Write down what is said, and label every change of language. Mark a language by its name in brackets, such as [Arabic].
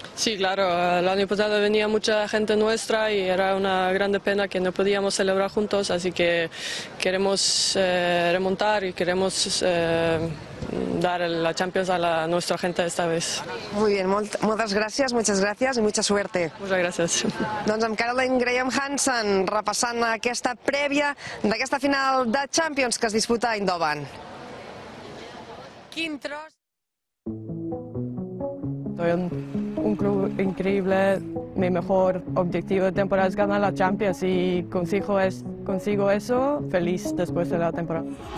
[Spanish] Sí, claro, el año pasado venía mucha gente nuestra y era una grande pena que no podíamos celebrar juntos, así que queremos remontar y queremos dar la Champions a nuestra gente esta vez. Muy bien, muchas gracias y mucha suerte. Muchas gracias. [Catalan] Doncs amb Caroline Graham Hansen, repassant aquesta prèvia d'aquesta final de Champions que es disputa a Eindhoven. Quin tros... [Spanish] Soy un club increíble, mi mejor objetivo de temporada es ganar la Champions y consigo eso, feliz después de la temporada.